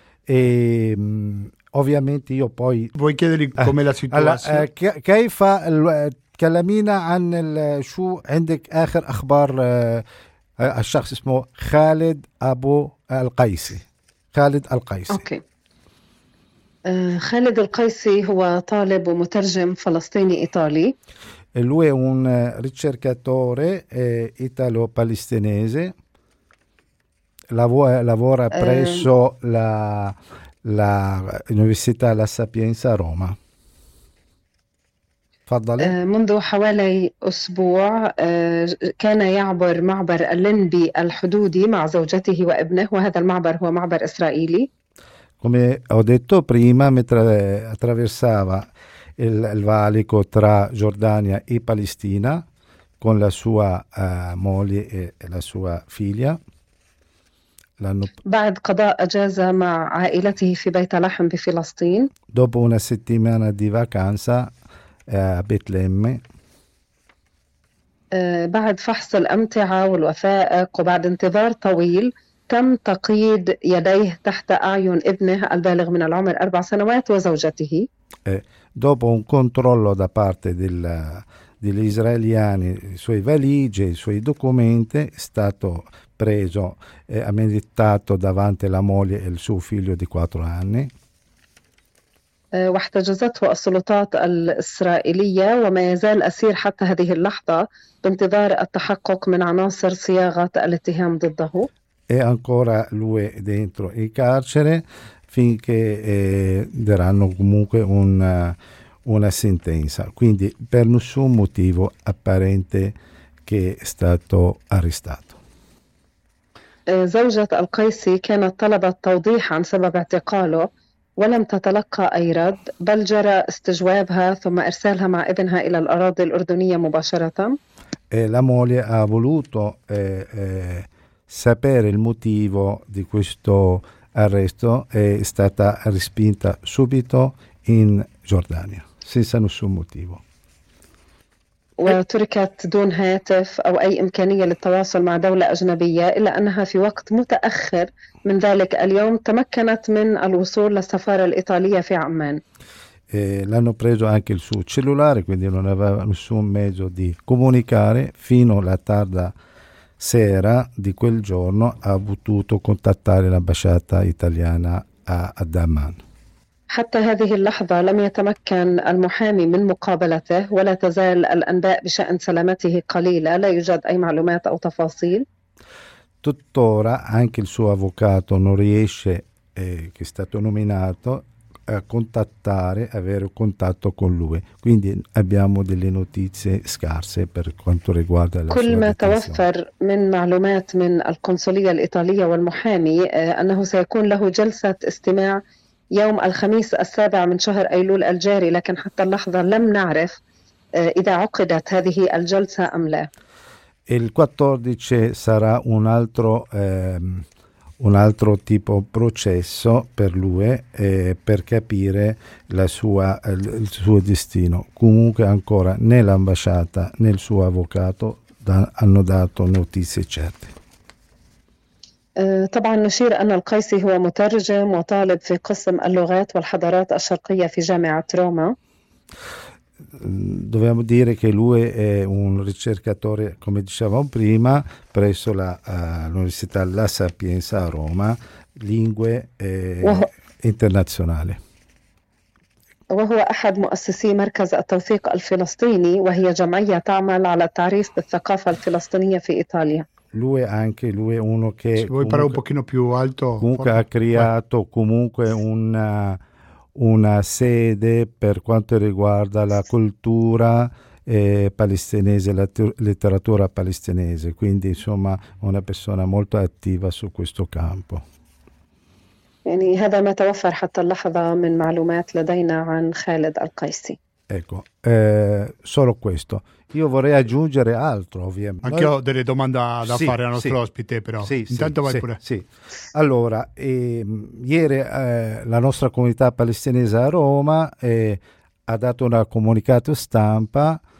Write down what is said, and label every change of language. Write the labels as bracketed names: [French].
[Italian] E ovviamente io poi... Vuoi chiedergli com'è la situazione? Che hai fatto? [Arabic] Kalamina anel shu endek akhir akhbar الشخص اسمه خالد أبو القيسي. خالد القيسي. أوكي. خالد القيسي هو طالب ومترجم فلسطيني إيطالي. [Italian] لوي un ricercatore italo-palestinese. Lavora presso la Università La Sapienza a Roma. [Arabic] تفضلي. منذ حوالي أسبوع كان يعبر معبر اللينبي الحدودي مع زوجته وابنه، وهذا المعبر هو معبر إسرائيلي. [Italian] Come ho detto prima, mentre attraversava il valico tra Giordania e Palestina con la sua moglie e la sua figlia, [Arabic] بعد قضاء أجازة مع عائلته في بيت لحم بفلسطين. [Italian] Dopo una settimana di vacanza a Betlemme. [Arabic] بعد فحص الأمتعة والوثائق وبعد انتظار طويل، تم تقييد يديه تحت أعين ابنه البالغ من العمر 4 سنوات وزوجته. [Italian] Dopo un controllo da parte degli israeliani, sue valigie, i suoi documenti, è stato preso e ammanettato davanti alla moglie e il suo figlio di 4 anni. [Arabic] واحتجزته السلطات الإسرائيلية وما يزال أسير حتى هذه اللحظة بانتظار التحقق من عناصر صياغة الاتهام ضده. [Italian] E ancora lui dentro il carcere finché daranno comunque una sentenza. Quindi per nessun motivo apparente che è stato arrestato. [Arabic] زوجة القيسي كانت طلبت توضيح عن سبب اعتقاله ولم تتلقى أي رد، بل جرى استجوابها ثم إرسالها مع ابنها إلى الأراضي الأردنية مباشرة. [Italian] La moglie ha voluto sapere il motivo di questo arresto è stata respinta subito in Giordania, senza nessun motivo. [Arabic] وتركت دون هاتف أو أي إمكانية للتواصل مع دولة أجنبية، إلا أنها في وقت متأخر من ذلك اليوم تمكنت من الوصول للسفارة الإيطالية في عمان. [Italian] L'hanno preso anche il suo cellulare, quindi non aveva nessun mezzo di comunicare fino alla tarda sera di quel giorno ha potuto contattare l'ambasciata italiana a Amman. [Arabic] حتى هذه اللحظة لم يتمكن المحامي من مقابلته، ولا تزال الأنباء بشأن سلامته قليلة، لا يوجد أي معلومات أو تفاصيل. [Italian] Tuttora anche il suo avvocato non riesce, che è stato nominato, a contattare, avere contatto con lui. Quindi abbiamo delle notizie scarse per quanto riguarda la [Arabic] كل [Italian] sua [Arabic] ما [Italian] detenzione. [Arabic] توفر من معلومات من القنصلية الإيطالية والمحامي أنه سيكون له جلسة استماع يوم الخميس 7 من شهر أيلول الجاري، لكن حتى اللحظة لم نعرف إذا عقدت هذه الجلسة أم لا. [Italian] Il 14 sarà un altro tipo processo per lui per capire il suo destino. Comunque ancora né l'ambasciata né il suo avvocato hanno dato notizie certe. [Arabic] طبعا نشير أن القيسي هو مترجم وطالب في قسم اللغات والحضارات الشرقية في جامعة روما. [Italian] Dobbiamo dire che lui è un ricercatore, come dicevamo prima, presso l'Università La Sapienza a Roma, lingue internazionali. [Arabic] وهو أحد مؤسسي مركز التوثيق الفلسطيني، وهي جمعية تعمل على التعريف بالثقافة الفلسطينية في إيطاليا. [Italian] Lui anche lui è uno che se vuoi parlare un pochino più alto comunque ha creato comunque una sede per quanto riguarda la cultura palestinese, la letteratura palestinese, quindi insomma una persona molto attiva su questo campo. [Arabic] يعني هذا ما توفر حتى اللحظة من معلومات لدينا عن خالد القيسي. [Italian] Ecco, solo questo. Io vorrei aggiungere altro, ovviamente. Anche io ho delle domande da sì, fare al nostro ospite, però. Sì, intanto vai sì, pure. Sì. Allora, ieri la nostra comunità palestinese a Roma ha dato un comunicato stampa,